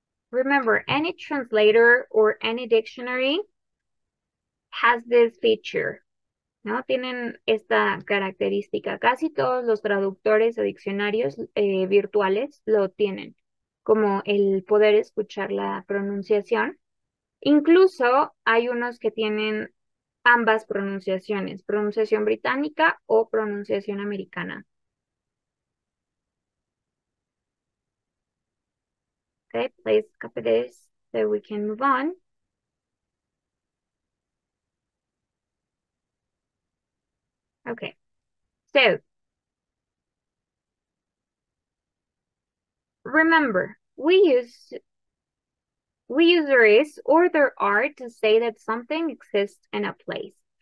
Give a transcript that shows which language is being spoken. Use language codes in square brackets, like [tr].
[en] Remember, any translator or any dictionary has this feature. [es] ¿No? Tienen esta característica. Casi todos los traductores o diccionarios virtuales lo tienen, como el poder escuchar la pronunciación. Incluso hay unos que tienen ambas pronunciaciones, pronunciación británica o pronunciación americana. [en] Okay, please copy this so we can move on. Okay, so remember, we use there is or there are to say that something exists in a place.